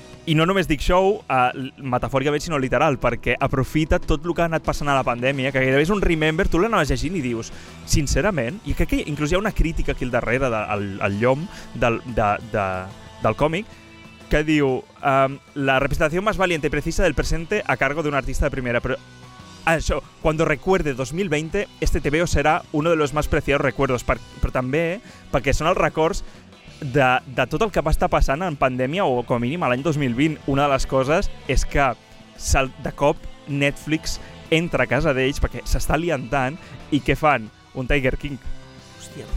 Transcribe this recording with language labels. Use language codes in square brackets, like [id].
[ca] I no només dic show, metafòricament, sinó literal, perquè aprofita tot el que ha anat passant a la pandèmia, que gairebé és un remember, tu l'anaves llegint i dius, sincerament, i crec que inclús hi ha una crítica aquí al darrere del llom del còmic, que diu, [es] la representación más valiente y precisa del presente a cargo de un artista de primera. Pero eso, cuando recuerde 2020, este TVO será uno de los más preciados recuerdos. [ca] Però també perquè són els records de tot el que va estar passant en pandèmia o com a mínim l'any 2020. Una de les coses és que de cop Netflix entra a casa d'ells perquè s'està liantant i què fan? Un Tiger King. Hòstia,